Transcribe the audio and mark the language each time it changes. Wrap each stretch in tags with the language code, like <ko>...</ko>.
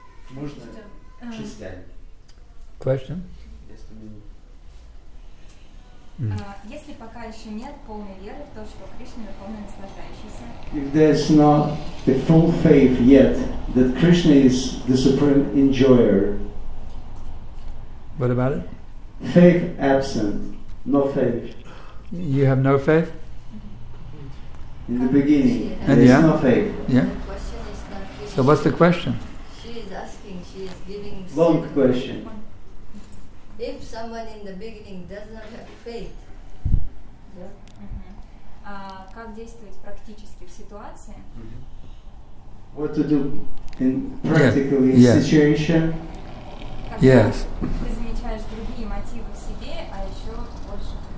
<ru>Можно частями?</ru> <en>Question?</en> <ru>Если пока еще нет полной веры в то, что Кришна верховный наслаждающийся.</ru> <en>If there's not the full faith yet that Krishna is the supreme enjoyer. What about it? Faith absent, no faith. You have no faith? In the beginning, there is no faith. Yeah. So what's the question? She is asking, she is giving... Long question. If someone in the beginning does not have faith...</en> <ru>Как действовать практически в ситуации?</ru> <en>What to do in practically in situation? Yes.</en> <ru>Ты замечаешь другие мотивы в себе, а еще больше...</ru>